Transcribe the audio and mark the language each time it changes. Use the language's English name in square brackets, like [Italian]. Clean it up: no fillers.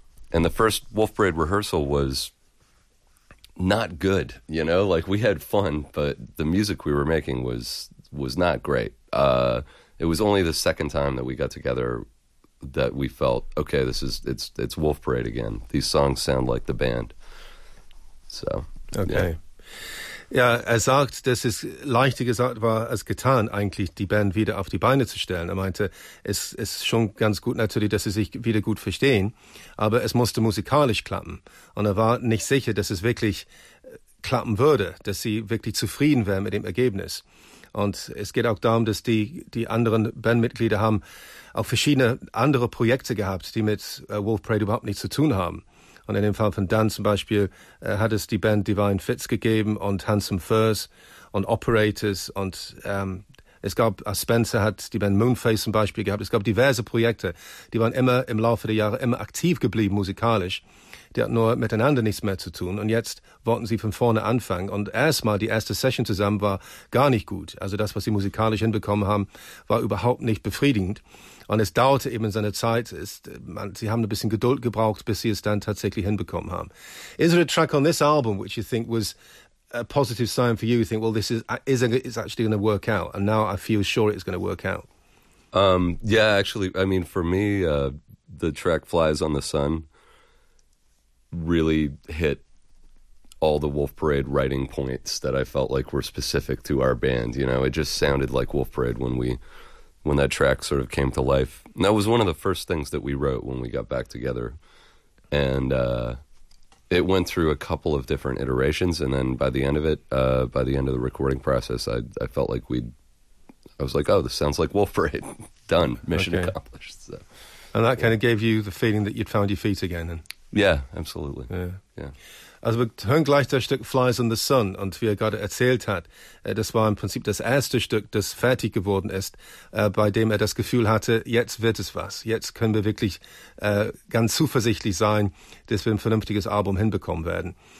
[English] And the first Wolf Parade rehearsal was not good, you know? Like, we had fun, but the music we were making was not great. It was only the second time that we got together that we felt, okay, this is it's Wolf Parade again. These songs sound like the band. So, okay. Yeah. [German] Ja, er sagt, dass es leichter gesagt war als getan, eigentlich die Band wieder auf die Beine zu stellen. Er meinte, es ist schon ganz gut natürlich, dass sie sich wieder gut verstehen, aber es musste musikalisch klappen. Und er war nicht sicher, dass es wirklich klappen würde, dass sie wirklich zufrieden wären mit dem Ergebnis. Und es geht auch darum, dass die anderen Bandmitglieder haben auch verschiedene andere Projekte gehabt, die mit Wolf Parade überhaupt nichts zu tun haben. Und in dem Fall von Dan zum Beispiel hat es die Band Divine Fits gegeben und Handsome Furs und Operators. Und es gab, Spencer hat die Band Moonface zum Beispiel gehabt. Es gab diverse Projekte, die waren immer im Laufe der Jahre immer aktiv geblieben musikalisch. Die hatten nur miteinander nichts mehr zu tun. Und jetzt wollten sie von vorne anfangen. Und erstmal, die erste Session zusammen war gar nicht gut. Also das, was sie musikalisch hinbekommen haben, war überhaupt nicht befriedigend. Und es dauerte eben seine Zeit. Sie haben ein bisschen Geduld gebraucht, bis sie es dann tatsächlich hinbekommen haben. [English] Is there a track on this album which you think was a positive sign for you? You think, well, this is actually going to work out. And now I feel sure it's going to work out. Yeah, actually, I mean, for me, the track Flies on the Sun really hit all the Wolf Parade writing points that I felt like were specific to our band. You know, it just sounded like Wolf Parade when that track sort of came to life. And that was one of the first things that we wrote when we got back together. And it went through a couple of different iterations. And then by the end of it, by the end of the recording process, I felt like I was like, oh, this sounds like Wolf Parade. Done. Mission accomplished. So, and that kind of gave you the feeling that you'd found your feet again then? Yeah, absolutely. Yeah. [German] Also wir hören gleich das Stück Flies in the Sun, und wie er gerade erzählt hat, das war im Prinzip das erste Stück, das fertig geworden ist, bei dem er das Gefühl hatte, jetzt wird es was. Jetzt können wir wirklich ganz zuversichtlich sein, dass wir ein vernünftiges Album hinbekommen werden.